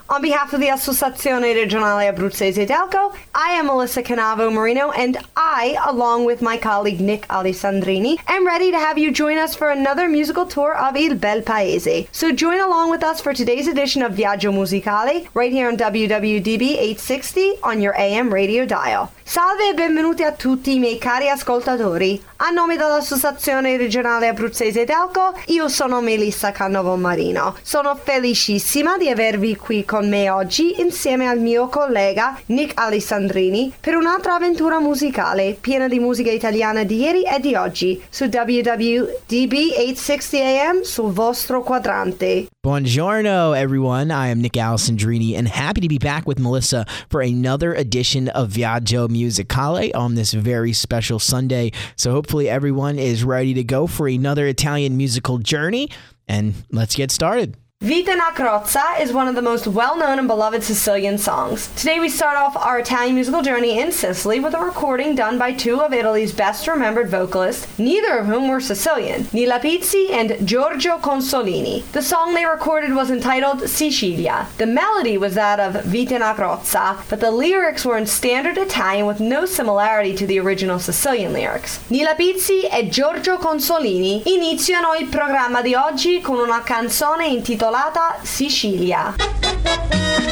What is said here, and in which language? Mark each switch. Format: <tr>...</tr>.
<en>On behalf of the Associazione Regionale Abruzzese Telco, I am Melissa Canavo Marino, and I, along with my colleague Nick Alessandrini, am ready to have you join us for another musical tour of Il Bel Paese. So join along with us for today's edition of Viaggio Musicale, right here on WWDB 860 on your AM radio dial.</en> <it>Salve e benvenuti a tutti i miei cari ascoltatori. A nome dell'Associazione Regionale Abruzzese Telco, io sono Melissa Canavo Marino. Sono felicissima di avervi qui con me oggi insieme al mio collega Nick Alessandrini per un'altra avventura musicale piena di musica italiana di ieri e di oggi su WWDB 860 AM sul vostro quadrante.</it> <en>Buongiorno everyone, I am Nick Alessandrini and happy to be back with Melissa for another edition of Viaggio Musicale on this very special Sunday. So hopefully everyone is ready to go for another Italian musical journey. And let's get started. Vita na Crozza is one of the most well-known and beloved Sicilian songs. Today we start off our Italian musical journey in Sicily with a recording done by two of Italy's best-remembered vocalists, neither of whom were Sicilian, Nila Pizzi and Giorgio Consolini. The song they recorded was entitled Sicilia. The melody was that of Vita na Crozza, but the lyrics were in standard Italian with no similarity to the original Sicilian lyrics.</en> <it>Nila Pizzi e Giorgio Consolini iniziano il programma di oggi con una canzone intitolata Sicilia.</it>